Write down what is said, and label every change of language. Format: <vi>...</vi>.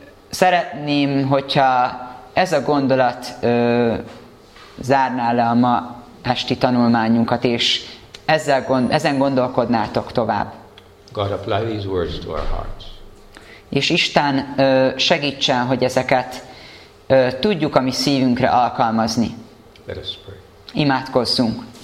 <hu>Szeretném, hogyha ez a gondolat zárná le a ma esti tanulmányunkat, és ezen gondolkodnátok tovább.</hu> <en>God apply these words to our hearts.</en> <hu>És Isten segítsen, hogy ezeket tudjuk a mi szívünkre alkalmazni.</hu> <en>Let us pray.</en> <hu>Imádkozzunk.</hu>